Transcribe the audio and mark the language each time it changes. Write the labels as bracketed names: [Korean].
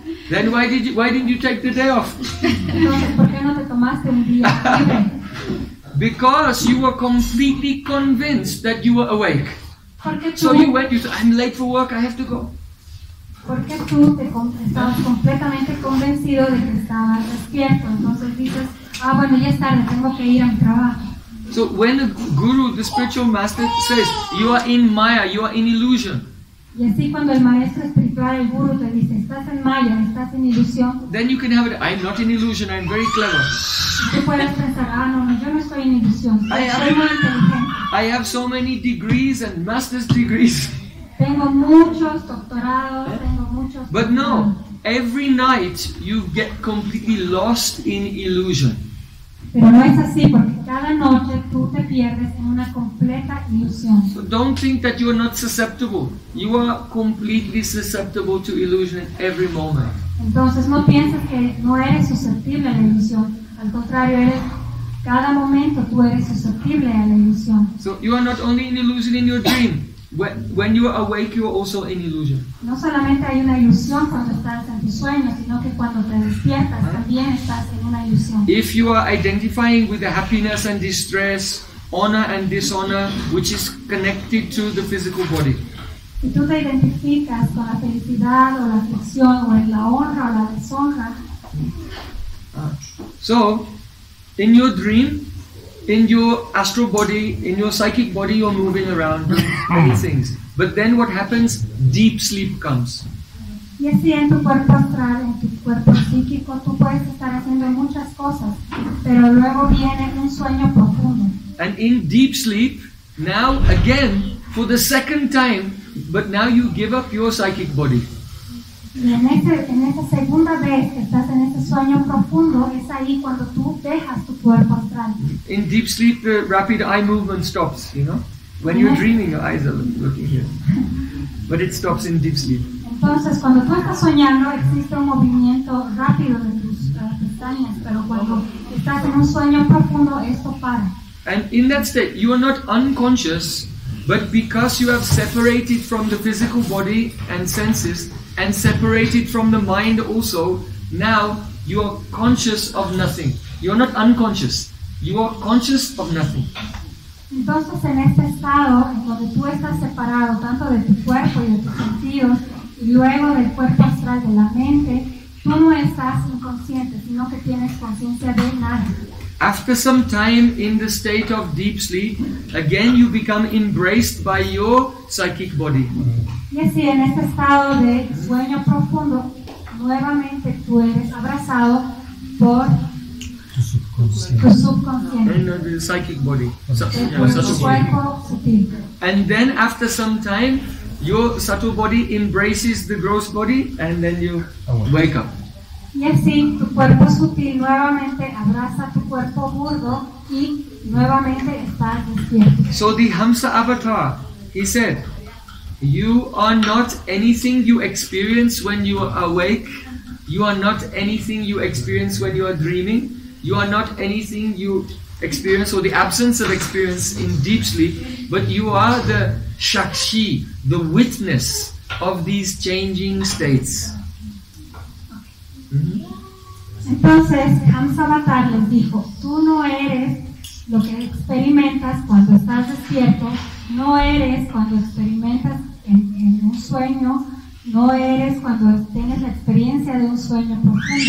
[English] Then why didn't you take the day off? [Spanish] ¿Por qué no te tomaste un día? [English] Because you were completely convinced that you were awake. [Spanish] Porque [English] so you went, you said, I'm late for work, I have to go. [Spanish] Porque tú te estabas completamente convencido de que estabas despierto. Entonces dices, ah, bueno, ya es tarde, tengo que ir a mi trabajo. [English] So when the guru, the spiritual master, says, you are in Maya, you are in illusion. [Spanish] Y así cuando el maestro espiritual, el guru, te dice, estás en Maya, estás en ilusión. [English] Then you can have it, I'm not in illusion, I'm very clever. [Spanish] Tú puedes pensar, ah, no, yo no estoy en ilusión. [English] I have so many degrees and master's degrees. [Spanish] Tengo muchos doctorados, tengo muchos. [English] But no, every night you get completely lost in illusion. [Spanish] Pero no es así, porque cada noche tú te pierdes en una completa ilusión. [English] So don't think that you are not susceptible. You are completely susceptible to illusion every moment. [Spanish] Entonces no pienses que no eres susceptible a la ilusión. Al contrario, eres. Cada momento tú eres susceptible a la ilusión. [English] So you are not only in illusion in your dream. When you are awake, you are also in illusion. [Spanish] No solamente hay una ilusión cuando estás en tu sueño, sino que cuando te despiertas también estás en una ilusión. [English] If you are identifying with the happiness and distress, honor and dishonor, which is connected to the physical body. [Spanish] Si tú te identificas con la felicidad o la aflicción o la honra o la deshonra. [English] So, in your dream, in your astral body, in your psychic body, you're moving around many things. But then what happens? Deep sleep comes. Yes, [Spanish] sí, en tu cuerpo astral, en tu cuerpo psíquico, tú puedes estar haciendo muchas cosas, pero luego viene un sueño profundo. [English] And in deep sleep, now again, for the second time, but now you give up your psychic body. [Spanish] Y en esa segunda vez que estás en ese sueño profundo, es ahí cuando tú dejas tu cuerpo astral. [English] In deep sleep, the rapid eye movement stops, you know? When you're dreaming, your eyes are looking here. But it stops in deep sleep. [Spanish] Entonces, cuando tú estás soñando, existe un movimiento rápido de tus pestañas, pero cuando estás en un sueño profundo, esto para. [English] And in that state, you are not unconscious, but because you have separated from the physical body and senses, and separated from the mind also, now you are conscious of nothing. You are not unconscious. You are conscious of nothing. [Spanish] Entonces, en este estado, en donde tú estás separado tanto de tu cuerpo y de tus sentidos, y luego del cuerpo astral, de la mente, tú no estás inconsciente, sino que tienes conciencia de nada. [English] After some time in the state of deep sleep, again you become embraced by your psychic body. Yes, [Spanish] sí, en este estado de sueño profundo, nuevamente tú eres abrazado por tu subconsciente. [English] No, the psychic body. Subtle body. And then after some time, your subtle body embraces the gross body and then you wake up. [Spanish] Y así tu cuerpo sutil nuevamente abraza tu cuerpo burdo y nuevamente está despierto. [English] So the Hamsa avatar, he said, you are not anything you experience when you are awake. You are not anything you experience when you are dreaming. You are not anything you experience or the absence of experience in deep sleep. But you are the shakshi, the witness of these changing states. [Spanish] Entonces, Hamsa Avatar les dijo, tú no eres lo que experimentas cuando estás despierto, no eres cuando experimentas en un sueño, no eres cuando tienes la experiencia de un sueño profundo.